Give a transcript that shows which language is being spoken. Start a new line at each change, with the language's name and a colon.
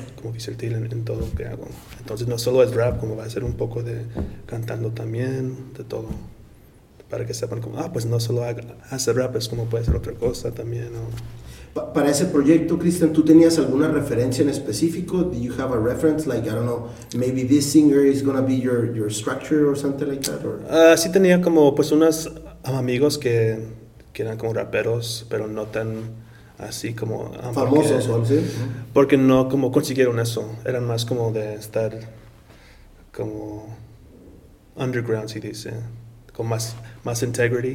Spanish: Como versátil en todo lo que hago. Entonces no solo es rap, como va a ser un poco de cantando también, de todo, para que sepan como, pues no solo hacer rap, es como puede ser otra cosa también, ¿no? Para ese proyecto, Christian, ¿tú tenías alguna referencia en específico?
English: Do you have a reference? Like, I don't know, maybe this singer is gonna be your structure or something like that? Or?
Spanish: Sí tenía como, pues unos amigos que eran como raperos, pero no tan así como famosos, porque no como consiguieron eso, eran más como de estar como underground, si dice, con más integrity.